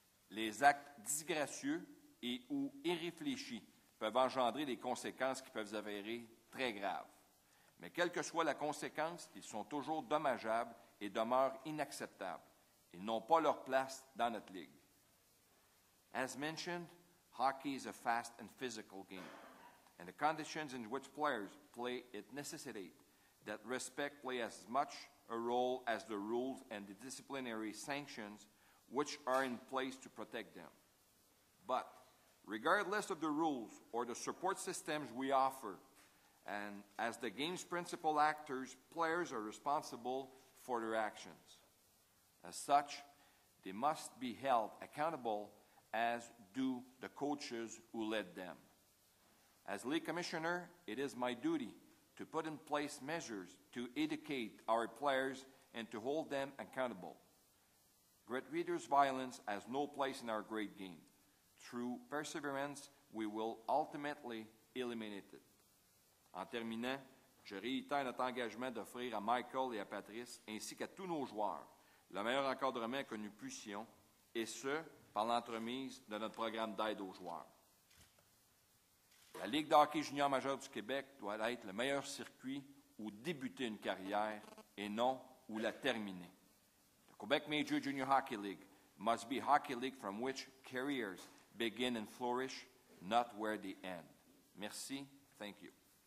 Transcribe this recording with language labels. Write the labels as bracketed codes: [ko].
[fr] Les actes disgracieux et ou irréfléchis peuvent engendrer des conséquences qui peuvent s'avérer très graves. Mais quelle que soit la conséquence, ils sont toujours dommageables et demeurent inacceptables. Ils n'ont pas leur place dans notre ligue. [en] As mentioned, hockey is a fast and physical game, and the conditions in which players play it necessitate that respect play as much a role as the rules and the disciplinary sanctions which are in place to protect them. But regardless of the rules or the support systems we offer, and as the game's principal actors, players are responsible for their actions. As such, they must be held accountable, as do the coaches who led them. As league commissioner, it is my duty to put in place measures to educate our players and to hold them accountable. Gratuitous violence has no place in our great game. Through perseverance, we will ultimately eliminate it. [fr] En terminant, je réitère notre engagement d'offrir à Michael et à Patrice, ainsi qu'à tous nos joueurs, le meilleur encadrement que nous puissions, et ce, par l'entremise de notre programme d'aide aux joueurs. La Ligue d'hockey junior majeur du Québec doit être le meilleur circuit où débuter une carrière et non où la terminer. [en] The Quebec Major Junior Hockey League must be a hockey league from which careers begin and flourish, not where they end. [fr] Merci. [en] Thank you.